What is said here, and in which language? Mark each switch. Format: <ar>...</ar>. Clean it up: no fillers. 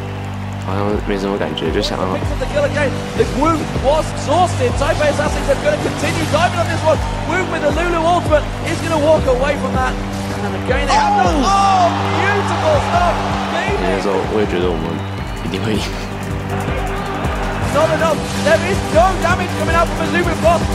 <zh>我打决赛的时候，那时候我是就好像没什么感觉，就想要。</zh> <en>The kill again. The Gwoon was exhausted. Taipei Assassins are going to continue diving on this one. Gwoon with the Lulu ultimate is going to walk away from that. And again, they have no. Oh, beautiful stuff.</en> <zh>那时候我也觉得我们一定会赢。</zh> <en>Not enough. There is no damage coming out from Azebu Frost.</en>